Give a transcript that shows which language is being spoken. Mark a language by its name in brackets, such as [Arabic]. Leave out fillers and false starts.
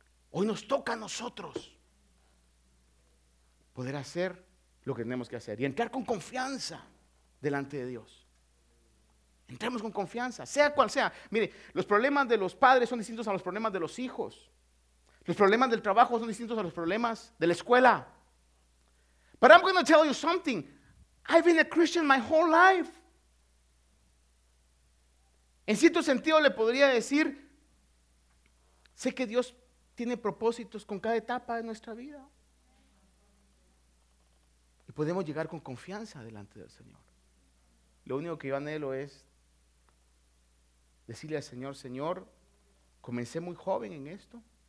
[Spanish] Hoy nos toca a nosotros poder hacer lo que tenemos que hacer y entrar con confianza delante de Dios. Entremos con confianza, sea cual sea. Mire, los problemas de los padres son distintos a los problemas de los hijos. Los problemas del trabajo son distintos a los problemas de la escuela. [English] But I'm going to tell you something. I've been a Christian my whole life. [Spanish] En cierto sentido le podría decir, sé que Dios tiene propósitos con cada etapa de nuestra vida. Y podemos llegar con confianza delante del Señor. Lo único que yo anhelo es decirle al Señor, Señor, comencé muy joven en esto.